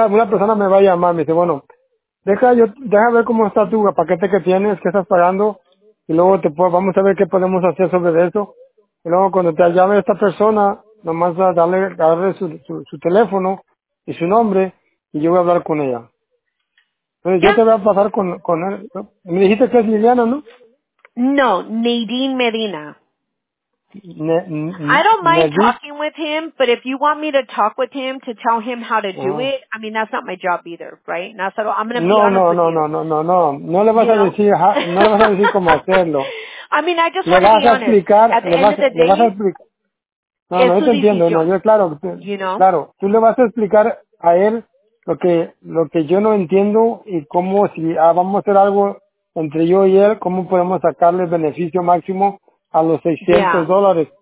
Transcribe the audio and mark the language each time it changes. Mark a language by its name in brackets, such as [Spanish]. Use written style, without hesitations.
[Spanish] Una persona me va a llamar, me dice, bueno, deja ver cómo está tu paquete que tienes, qué estás pagando, y luego vamos a ver qué podemos hacer sobre eso. Y luego cuando te llame esta persona, nomás darle su teléfono y su nombre, y yo voy a hablar con ella. Entonces, yo te voy a pasar con él. Me dijiste que es Liliana, ¿no? No, Nadine Medina. [English] I don't mind talking with him, but if you want me to talk with him to tell him how to do it, I mean, that's not my job either, right? Now, so I'm gonna be honest with you. [Spanish] No, le vas a decir, no le vas a decir cómo hacerlo. [English] I mean, I just want to be honest. [Spanish] Explicar, le vas a explicar. No, yo te entiendo, claro, tú le vas a explicar a él lo que yo no entiendo y cómo, si vamos a hacer algo entre yo y él, cómo podemos sacarle el beneficio máximo a los $600.